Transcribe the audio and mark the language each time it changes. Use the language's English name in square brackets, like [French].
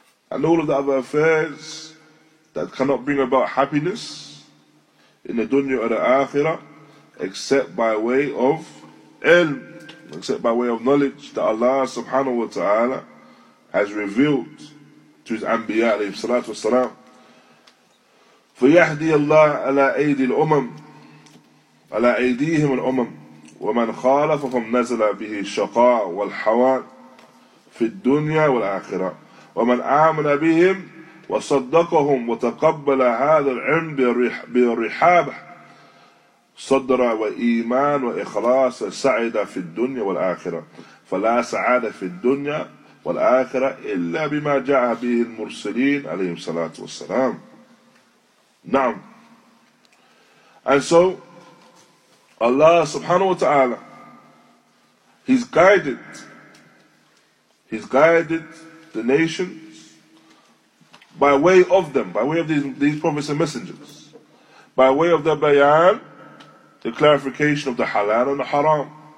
[English] And all of the other affairs that cannot bring about happiness in the dunya or the akhirah, except by way of ilm, except by way of knowledge that Allah subhanahu wa ta'ala has revealed to his anbiya alayhi salatu wa salam. [Arabic] فيهدي الله على أيدي الأمم على أيديهم الأمم ومن خالفهم نزل به الشقاء والحوان في الدنيا والآخرة ومن آمن بهم وصدقهم وتقبل هذا العلم بالرحاب صدر وإيمان وإخلاص سعد في الدنيا والآخرة فلا سعادة في الدنيا والآخرة إلا بما جاء به المرسلين عليهم الصلاة والسلام. [English] Now, and so Allah subhanahu wa ta'ala, He's guided the nations by way of them, by way of these prophets and messengers, by way of the bayan, the clarification of the halal and the haram.